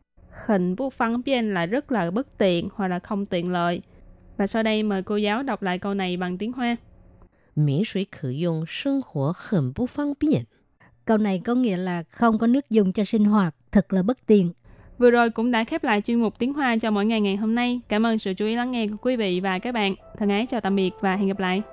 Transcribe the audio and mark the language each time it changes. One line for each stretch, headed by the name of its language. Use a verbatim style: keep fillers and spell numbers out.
Chinese: 很不方便
Vietnamese: là rất là bất tiện hoặc là không tiện lợi. Và sau đây mời cô giáo đọc lại câu này bằng tiếng Hoa.
Chinese: 没水可用，生活很不方便。
Vietnamese: Câu này có nghĩa là không có nước dùng cho sinh hoạt, thật là bất tiện. Vừa rồi cũng đã khép lại chuyên mục tiếng Hoa cho mỗi ngày ngày hôm nay. Cảm ơn sự chú ý lắng nghe của quý vị và các bạn. Thân ái chào tạm biệt và hẹn gặp lại.